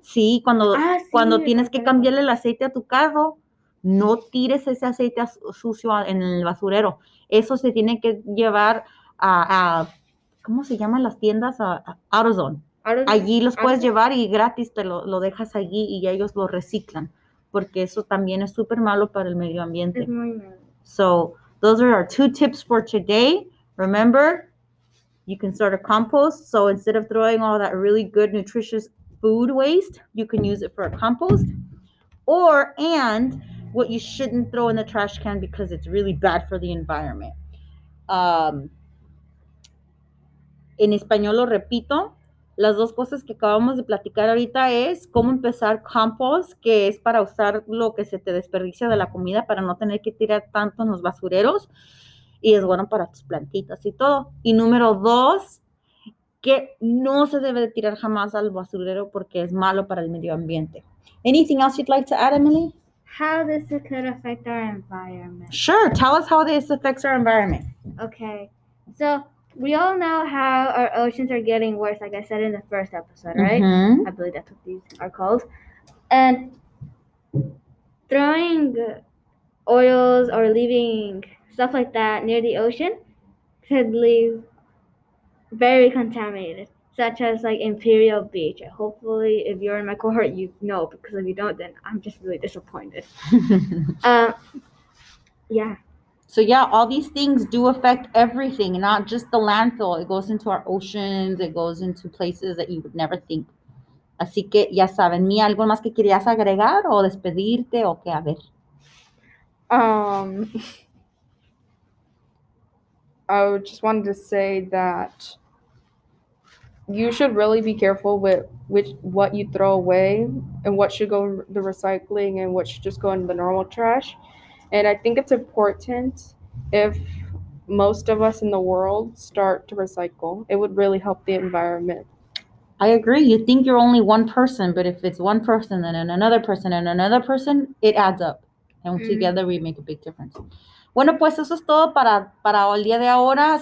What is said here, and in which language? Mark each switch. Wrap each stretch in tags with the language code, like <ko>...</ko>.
<es>Sí, cuando tienes que cambiarle el aceite a tu carro, no tires ese aceite sucio en el basurero. Eso se tiene que llevar a ¿cómo se llaman las tiendas? A AutoZone. Allí los puedes llevar y gratis te lo dejas allí y ellos lo reciclan. Porque eso también es súper malo para el medio ambiente. Es muy malo.</es> <en>So, those are our two tips for today. Remember, you can start a compost. So instead of throwing all that really good, nutritious food waste, you can use it for a compost. And what you shouldn't throw in the trash can because it's really bad for the environment.</en> <es>En español lo repito. Las dos cosas que acabamos de platicar ahorita es cómo empezar compost, que es para usar lo que se te desperdicia de la comida para no tener que tirar tanto en los basureros. Y es bueno para tus plantitas y todo. Y número dos, que no se debe de tirar jamás al basurero porque es malo para el medio ambiente.</es> <en>Anything else you'd like to add, Emily? How this could affect our environment. Sure, tell us how this affects our environment. Okay, so we all know how our oceans are getting worse, like I said in the first episode, right? Mm-hmm. I believe that's what these are called. And throwing oils or leaving stuff like that near the ocean could leave very contaminated, such as like Imperial Beach. Hopefully, if you're in my cohort, you know, because if you don't, then I'm just really disappointed. yeah. So, yeah, all these things do affect everything, not just the landfill. It goes into our oceans. It goes into places that you would never think.</en> <es>Así que, ya saben, Mía, ¿algo más que querías agregar o despedirte o qué? A ver.</es> <en>I just wanted to say that you should really be careful with what you throw away and what should go in the recycling and what should just go in the normal trash. And I think it's important if most of us in the world start to recycle, it would really help the environment. I agree. You think you're only one person, but if it's one person, then another person, and another person, it adds up. And together, we make a big difference.</en> <es>Bueno, pues eso es todo para el día de ahora.</es>